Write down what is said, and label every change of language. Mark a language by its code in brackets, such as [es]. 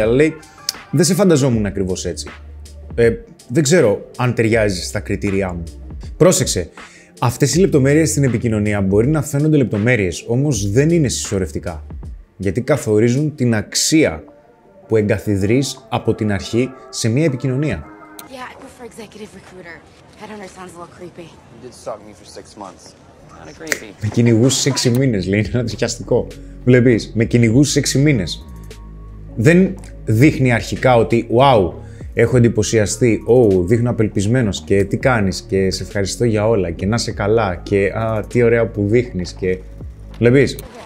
[el] Αλλά λέει, δεν σε φανταζόμουν ακριβώς έτσι. Δεν ξέρω αν ταιριάζει στα κριτήριά μου. Πρόσεξε. Αυτές οι λεπτομέρειες στην επικοινωνία μπορεί να φαίνονται λεπτομέρειες, όμως δεν είναι συσσωρευτικά. Γιατί καθορίζουν την αξία που εγκαθιδρείς από την αρχή σε μια επικοινωνία. [en] Yeah, I prefer executive recruiter. Headhunter sounds a little creepy. You did stalk me for 6 months. Kind of creepy. [el] Με κυνηγούσε 6 μήνες, λέει, είναι ένα τριχιαστικό. Βλέπεις, με κυνηγούσε 6 μήνες. Δεν δείχνει αρχικά ότι, wow, έχω εντυπωσιαστεί, δείχνω απελπισμένος και τι κάνεις και σε ευχαριστώ για όλα και να είσαι καλά και α, τι ωραία που δείχνεις και... Βλέπεις.